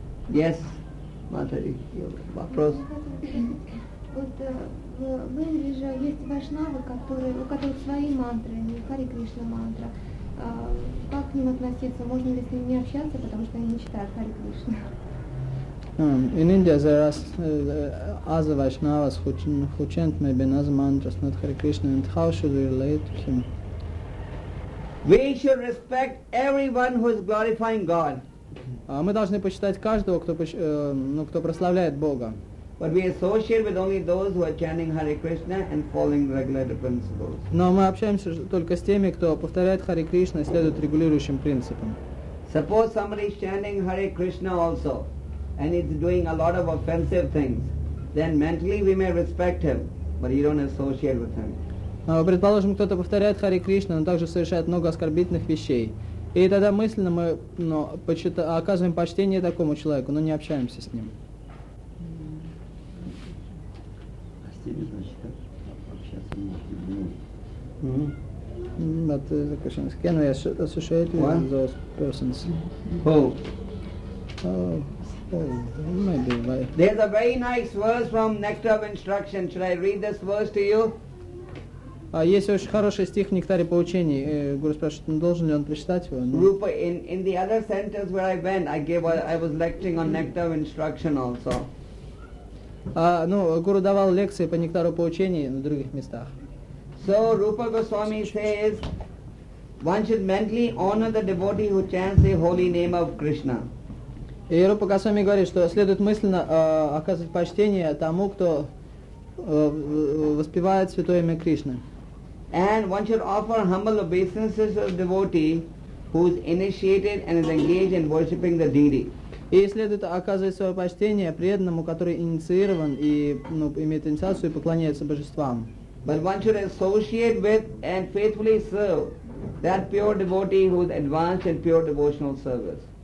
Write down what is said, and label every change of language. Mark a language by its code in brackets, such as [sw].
[en] Yes, [ru] Матари, вопрос. Вот в Индии же есть вайшнавы, у которых свои мантры, не Хари Кришна мантра. Как к ним относиться? Можно ли с ними общаться, потому что они не читают Хари Кришна? [en] In India there are other Vaishnavas who chant maybe another mantras, not Hare Krishna, and how should we relate to him? We should respect everyone who is glorifying God. [ru] Мы должны почитать каждого, кто прославляет Бога. [en] But we associate with only those who are chanting Hare Krishna and following regulated principles. [ru] Но мы общаемся только с теми, кто повторяет Харе Кришна и следует регулирующим принципам. [en] Suppose somebody is chanting Hare Krishna also, and is doing a lot of offensive things, then mentally we may respect him, but you don't associate with him. [ru] Предположим, кто-то повторяет Харе Кришна, но также совершает много оскорбительных вещей. И тогда мысленно мы оказываем почтение такому человеку, но не общаемся с ним. [en] But the question is, can we associate with those persons? Who? Maybe. Why? There's a very nice verse from Nectar of Instruction. Should I read this verse to you? [ru] Есть очень хороший стих в Нектаре Поучений. Гуру спрашивает, должен ли он прочитать его? [en] Rupa, in the other centers where I went, I was lecturing on Nectar of Instruction also. [ru] Гуру давал лекции по Нектару Поучений на других местах. [en] So Rupa Goswami says, one should mentally honor the devotee who chants the holy name of Krishna. [ru] И Рупа Госвами говорит, что следует мысленно оказывать почтение тому, кто воспевает святое имя Кришны. [en] And one should offer humble obeisances to the devotee who is initiated and is engaged in worshipping the deity. [ru] И следует оказывать свое почтение преданному, который инициирован и имеет инициацию и поклоняется божествам. [en] But one should associate with and faithfully serve that pure devotee who is advanced in pure devotional service.